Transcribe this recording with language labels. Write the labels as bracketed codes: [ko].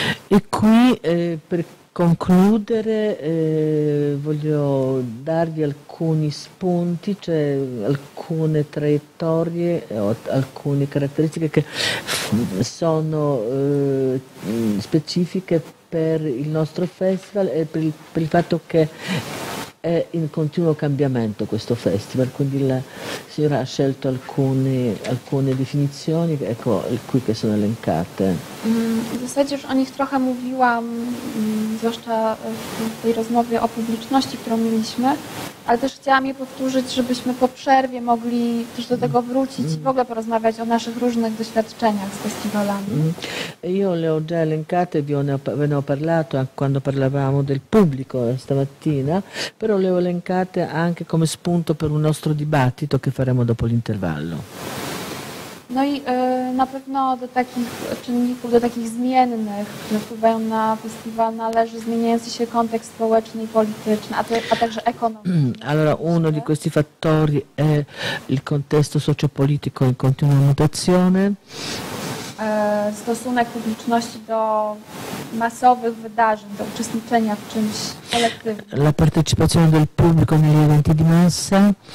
[it] I qui per concludere voglio darvi alcuni spunti, cioè alcune traiettorie o alcune caratteristiche che sono specifiche per il nostro festival e per il fatto che è in continuo cambiamento questo festival, quindi la signora ha scelto alcune definizioni, ecco qui che sono elencate. [pl] W zasadzie już o nich trochę mówiłam, zwłaszcza w tej rozmowie o publiczności, którą mieliśmy, ale też chciałam je powtórzyć, żebyśmy po przerwie mogli też do tego wrócić i w ogóle porozmawiać o naszych różnych doświadczeniach z festiwalami. [it] Io le ho già elencate, ve ne ho parlato quando parlavamo del pubblico stamattina, però le ho elencate anche come spunto per un nostro dibattito che faremo dopo l'intervallo. [pl] No i na pewno do takich czynników, do takich zmiennych, które wpływają na festiwal, należy zmieniający się kontekst społeczny i polityczny, a także ekonomiczny. [it] Allora, uno di questi fattori è il contesto sociopolitico in continua mutazione. [pl] Stosunek publiczności do masowych wydarzeń, do uczestniczenia w czymś kolektywnym. [it] La partecipazione del pubblico negli eventi di massa.